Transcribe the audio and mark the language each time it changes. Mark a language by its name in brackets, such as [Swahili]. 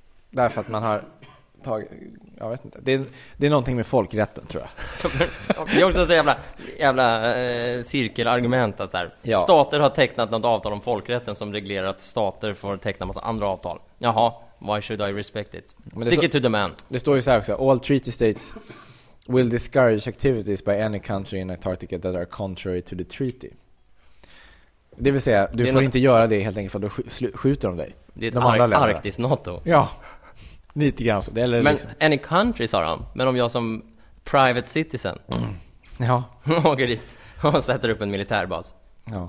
[Swedish] Därför att man har tagit... jag vet inte. Det är någonting med folkrätten, tror jag. Det är också så jävla cirkelargument. Att så här, stater har tecknat något avtal om folkrätten som reglerar att stater får teckna massa andra avtal. [English] Jaha, why should I respect it? Stick it to the man. [Swedish] Det står ju så här också. [English] All treaty states will discourage activities by any country in Antarctica that are contrary to the treaty. [Swedish] Det vill säga, du får inte göra det helt enkelt, för då skjuter de dig. Det är ett arktiskt NATO. Ja, lite grann så. Men liksom, [English] any country, [Swedish] sa de. Men om jag som [English] private citizen [Swedish] åker dit och sätter upp en militärbas. Ja.